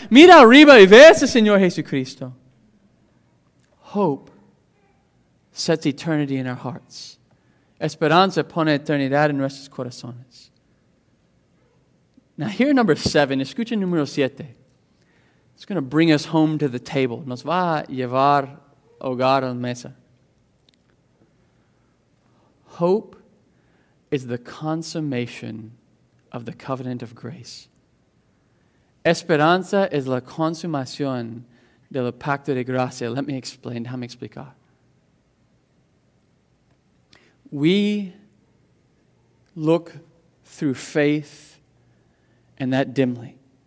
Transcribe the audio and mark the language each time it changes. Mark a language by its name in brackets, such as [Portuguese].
[Spanish] Mira arriba y ve ese Señor Jesucristo. [English] Hope sets eternity in our hearts. [Spanish] Esperanza pone eternidad en nuestros corazones. [English] Now here number seven. [Spanish] Escucha número siete. [English] It's going to bring us home to the table. [Spanish] Nos va a llevar hogar a la mesa. [English] Hope is the consummation of the covenant of grace. [Spanish] Esperanza es la consumación del pacto de gracia. [English] Let me explain. [Spanish] Déjame explicar. [English] We look through faith and that dimly.